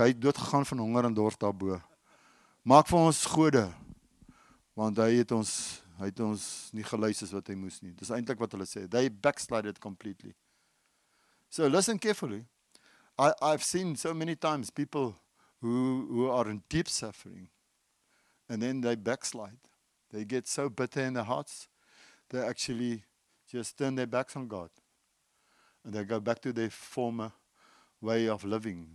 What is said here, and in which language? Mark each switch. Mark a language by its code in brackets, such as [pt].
[af] Hy het doodgegaan van honger en dorst daarbo. Maak vir ons gode. Want hy het ons nie geluister as wat hy moes nie. Dis eintlik wat hulle sê. [en] They backslided completely. So listen carefully. I've seen so many times people who are in deep suffering. And then they backslide. They get so bitter in their hearts. They actually just turn their backs on God. And they go back to their former way of living.